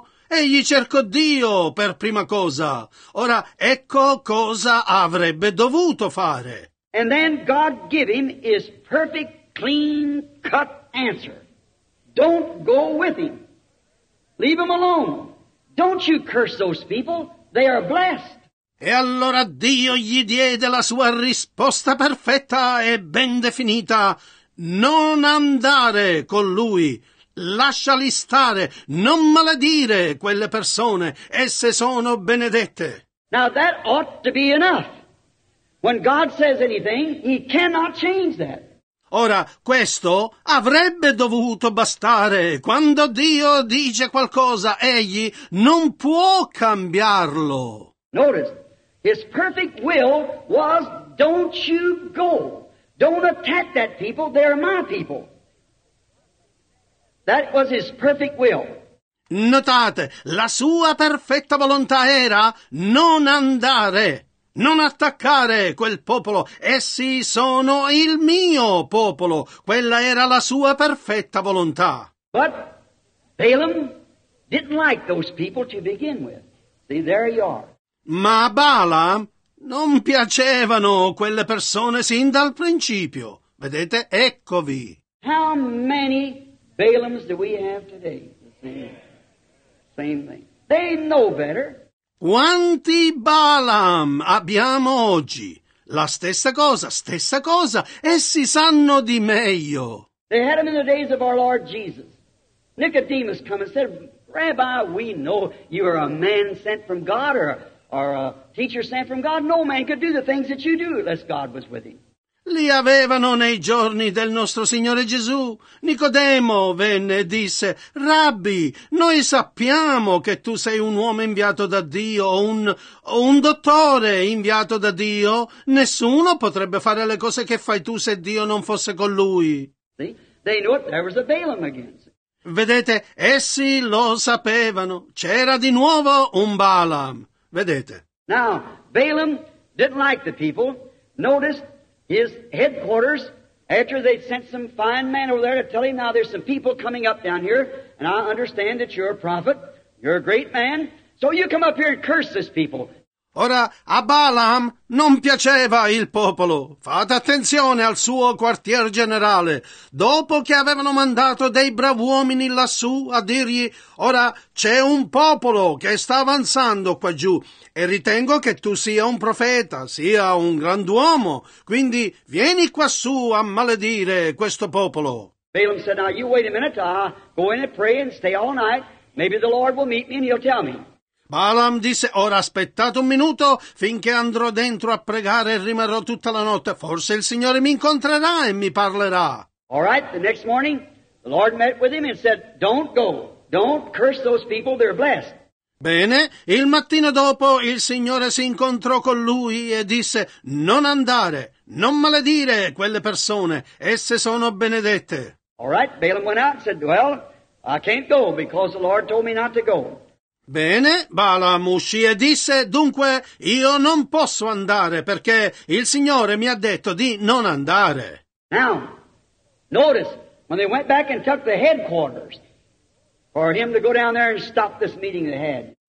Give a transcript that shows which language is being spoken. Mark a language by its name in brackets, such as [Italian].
[Italian] Egli cercò Dio per prima cosa. Ora ecco cosa avrebbe dovuto fare. [English] And then God give him his perfect, clean-cut answer. Don't go with him. Leave him alone. Don't you curse those people. They are blessed. [Italian] E allora Dio gli diede la sua risposta perfetta e ben definita. Non andare con lui. Lasciali stare. Non maledire quelle persone. Esse sono benedette. [English] Now that ought to be enough. When God says anything, he cannot change that. [Italian] Ora, questo avrebbe dovuto bastare. Quando Dio dice qualcosa, egli non può cambiarlo. [English] Notice, his perfect will was, don't you go. Don't attack that people, they're my people. That was his perfect will. [Italian] Notate, la sua perfetta volontà era non andare. Non attaccare quel popolo, essi sono il mio popolo. Quella era la sua perfetta volontà. [English] But Balaam didn't like those people to begin with. See, there you are. [Italian] Ma Balaam non piacevano quelle persone sin dal principio. Vedete, eccovi. [English] How many Balaams do we have today? Same thing. They know better. [Italian] Quanti Balaam abbiamo oggi? La stessa cosa, essi sanno di meglio. [English] They had him in the days of our Lord Jesus. Nicodemus come and said, Rabbi, we know you are a man sent from God or a teacher sent from God. No man could do the things that you do unless God was with him. [Italian] Li avevano nei giorni del nostro Signore Gesù. Nicodemo venne e disse, Rabbi, noi sappiamo che tu sei un uomo inviato da Dio, un dottore inviato da Dio. Nessuno potrebbe fare le cose che fai tu se Dio non fosse con lui. [English] They knew it. There was a Balaam again. [Italian] Vedete, essi lo sapevano. C'era di nuovo un Balaam. Vedete. [English] Now, Balaam didn't like the people. Notice, his headquarters, after they'd sent some fine man over there to tell him, now there's some people coming up down here, and I understand that you're a prophet, you're a great man, so you come up here and curse this people. [Italian] Ora, a Balaam non piaceva il popolo. Fate attenzione al suo quartier generale. Dopo che avevano mandato dei bravi uomini lassù a dirgli, ora c'è un popolo che sta avanzando qua giù e ritengo che tu sia un profeta, sia un grand'uomo. Quindi vieni quassù a maledire questo popolo. [English] Balaam said, now you wait a minute, I'll go in and pray and stay all night. Maybe the Lord will meet me and he'll tell me. [Italian] Balaam disse, ora aspettate un minuto finché andrò dentro a pregare e rimarrò tutta la notte. Forse il Signore mi incontrerà e mi parlerà. [English] All right, the next morning the Lord met with him and said, don't go, don't curse those people, they're blessed. [Italian] Bene, il mattino dopo il Signore si incontrò con lui e disse, non andare, non maledire quelle persone, esse sono benedette. [English] All right, Balaam went out and said, well, I can't go because the Lord told me not to go. [Italian] Bene, Balaam uscì e disse, dunque, io non posso andare perché il Signore mi ha detto di non andare. [English] Now, notice, when they went back and took the headquarters, for him to go down there and stop this meeting they had.